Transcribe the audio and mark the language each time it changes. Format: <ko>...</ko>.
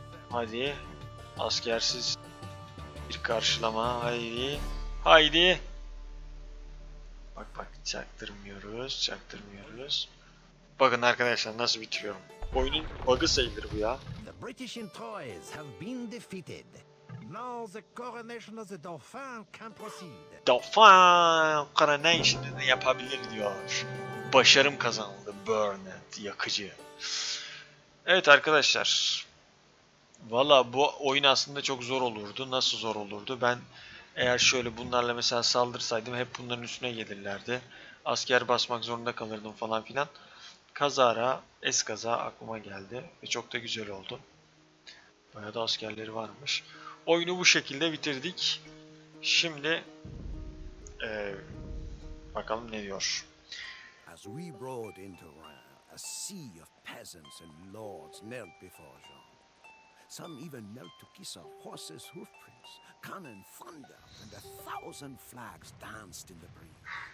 <tr>Hadi. Askersiz bir karşılama. Haydi. Haydi. Bak bak, çaktırmıyoruz. Çaktırmıyoruz. Bakın arkadaşlar, nasıl bitiriyorum. Oyunun bug'ı sayılır bu ya.</tr> <en>The British in toys have been defeated. Now the coronation of the Dauphin can proceed.</en> <tr>Dauphin coronation'ını yapabilir diyor. Başarım kazandı. Burnet, yakıcı. Evet arkadaşlar. Vallahi bu oyun aslında çok zor olurdu. Nasıl zor olurdu? Ben eğer şöyle bunlarla mesela saldırsaydım hep bunların üstüne gelirlerdi. Asker basmak zorunda kalırdım falan filan. Kazara, eskaza aklıma geldi. Ve çok da güzel oldu. Bayağı da askerleri varmış. Oyunu bu şekilde bitirdik. Şimdi bakalım ne diyor.</tr> <en>As we rode into Rouen, a sea of peasants and lords knelt before Jean. Some even knelt to kiss a horse's hoofprints. Cannon thundered and a thousand flags danced in the breeze.</en>